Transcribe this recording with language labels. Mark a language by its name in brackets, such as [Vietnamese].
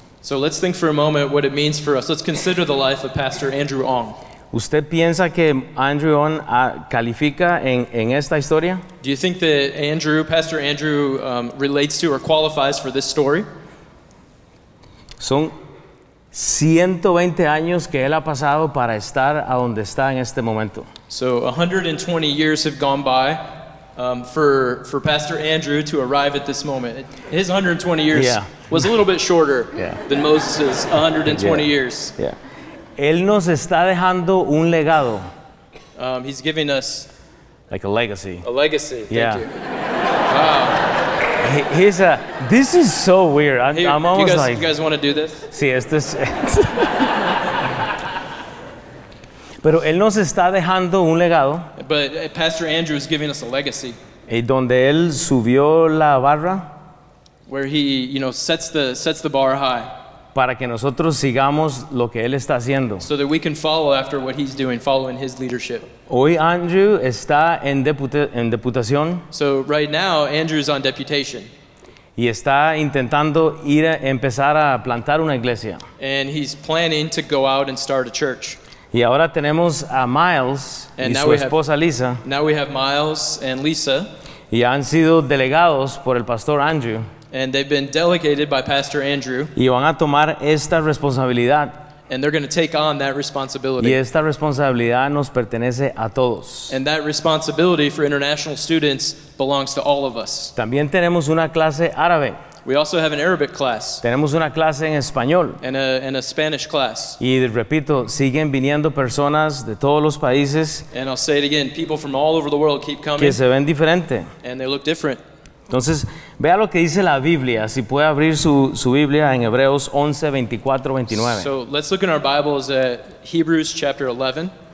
[English] So let's think for a moment what it means for us. Let's consider the life of Pastor Andrew Ong. [Spanish] ¿Usted piensa que Andrew Ong califica en esta historia? [English] Do you think that Pastor Andrew relates to or qualifies for this story? [Spanish] Son 120 años que él ha pasado para estar a donde está en este momento. [English] So 120 years have gone by for Pastor Andrew to arrive at this moment. His 120 years was a little bit shorter than Moses' 120 years. Yeah. [Spanish] Él nos está dejando un legado. [English] He's giving us like a legacy. A legacy. Thank you. Wow. This is so weird. I'm almost you guys want to do this? [Spanish] Sí, esto es. Pero él nos está dejando un legado. [English] But Pastor Andrew is giving us a legacy. [Spanish] Y donde él subió la barra. [English] Where he, sets the bar high. [Spanish] Para que nosotros sigamos lo que él está haciendo. [English] So that we can follow after what he's doing, following his leadership. [Spanish] Hoy Andrew está en deputación. [English] So right now, Andrew's on deputation. [Spanish] Y está intentando ir a empezar a plantar una iglesia. [English] And he's planning to go out and start a church. [Spanish] Y ahora tenemos a Miles [English] and [Spanish] y su esposa Lisa. [English] Now we have Miles and Lisa. [Spanish] Y han sido delegados por el pastor Andrew. [English] And they've been delegated by Pastor Andrew. [Spanish] Y van a tomar esta responsabilidad. [English] And they're going to take on that responsibility. [Spanish] Y esta responsabilidad nos pertenece a todos. [English] And that responsibility for international students belongs to all of us. [Spanish] También tenemos una clase árabe. [English] We also have an Arabic class. [Spanish] Tenemos una clase en español. [English] And a Spanish class. [Spanish] Y repito, siguen viniendo personas de todos los países. [English] And I'll say it again, people from all over the world keep coming. [Spanish] Que se ven diferente. [English] And they look different. [Spanish] Entonces, vea lo que dice la Biblia, si puede abrir su Biblia en Hebreos 11, 24, 29. [English] So, let's look in our Bibles at Hebrews chapter 11.